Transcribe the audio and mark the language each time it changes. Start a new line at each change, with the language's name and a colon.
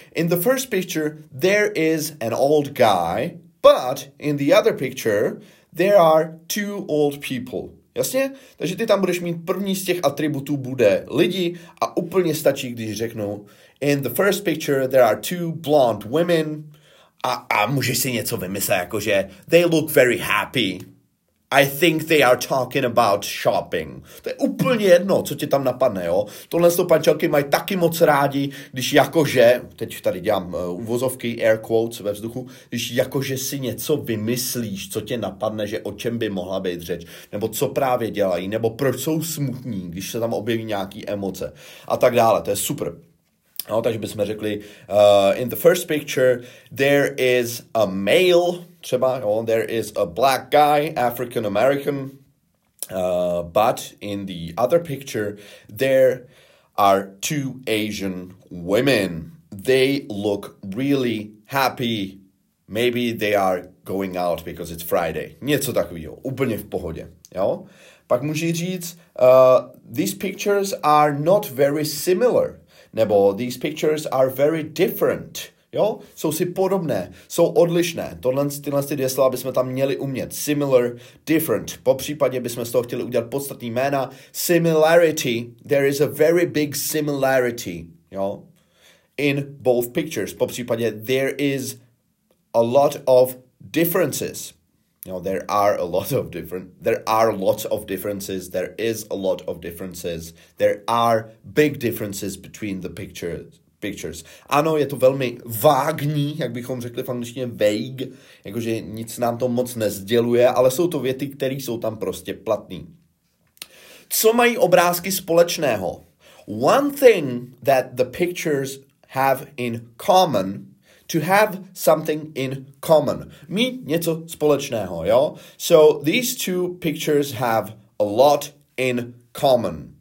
English: In the first picture, there is an old guy, but in the other picture, there are two old people.
Czech: Jasně? Takže ty tam budeš mít první z těch atributů bude lidi a úplně stačí, když řeknu
English: in the first picture, there are two blonde women
Czech: a můžeš si něco vymyslet, jakože
English: they look very happy. I think they are talking about shopping.
Czech: To je úplně jedno, co ti tam napadne, jo? Tohle jsou pančelky mají taky moc rádi, když jakože, teď tady dělám uvozovky,
English: air quotes
Czech: ve vzduchu, když jakože si něco vymyslíš, co tě napadne, že o čem by mohla být řeč, nebo co právě dělají, nebo proč jsou smutní, když se tam objeví nějaký emoce a tak dále. To je super. No, takže bychom řekli,
English: in the first picture, there is a male,
Czech: třeba, jo,
English: there is a black guy, African American, but in the other picture, there are two Asian women. They look really happy. Maybe they are going out because it's Friday.
Czech: Něco takového, úplně v pohodě, jo. Pak můžeš říct,
English: these pictures are not very similar.
Czech: Nebo
English: these pictures are very different.
Czech: Jo? Jsou si podobné, jsou odlišné. Tohle, tyhle ty dvě slova bychom tam měli umět. Similar, different. Popřípadě bychom z toho chtěli udělat podstatný jména.
English: Similarity. There is a very big similarity. Jo? In both pictures.
Czech: Popřípadě
English: there is a lot of differences. No, there are a lot of different. There are lots of differences. There is a lot of differences. There are big differences between the pictures.
Czech: Ano, je to velmi vágní, jak bychom řekli v angličtině vague, jakože nic nám to moc nezděluje, ale jsou to věty, které jsou tam prostě platné. Co mají obrázky společného?
English: One thing that the pictures have in common. To have something in common.
Czech: Mít něco společného, jo?
English: So, these two pictures have a lot in common.